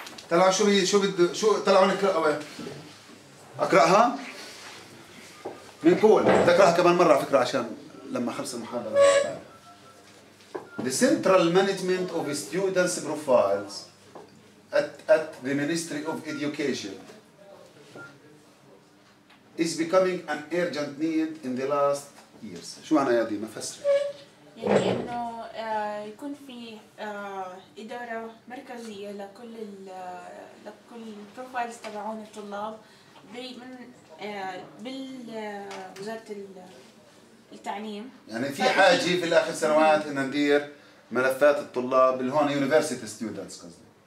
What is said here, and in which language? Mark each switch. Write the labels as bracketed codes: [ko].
[ar] طلعوا شو هي شو بده شو طلعوا نقرأها اقراها بنقول ذكرها كمان مره على فكره عشان لما خلص المحاضره [en] the central management of students profiles at the Ministry of Education is becoming an urgent need in the last years. [ar] شو معنى يا دينا فسر؟ يعني إنه يكون في إدارة مركزية لكل البروفايلز تبعون الطلاب من بالوزارة التعليم. يعني في حاجة في الآخر سنوات إن ندير ملفات الطلاب اللي هون [en] University Students [ar] قصدي.